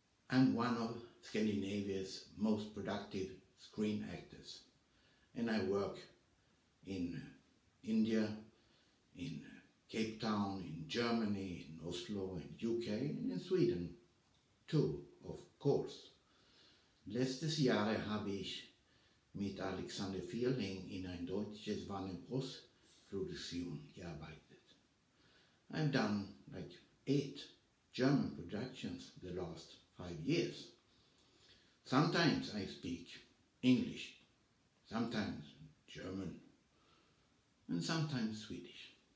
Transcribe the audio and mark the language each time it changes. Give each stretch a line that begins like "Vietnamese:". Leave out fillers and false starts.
English: I'm one of Scandinavia's most productive screen actors. And I work in India, in Cape Town, in Germany, in Oslo, in UK, and in Sweden too, of course.
German: Letztes Jahr habe ich mit Alexander Fierling in ein deutsches Warner-Bros. Produktion gearbeitet.
English: I've done like 8 German productions the last 5 years. Sometimes I speak English, sometimes German, and sometimes Swedish.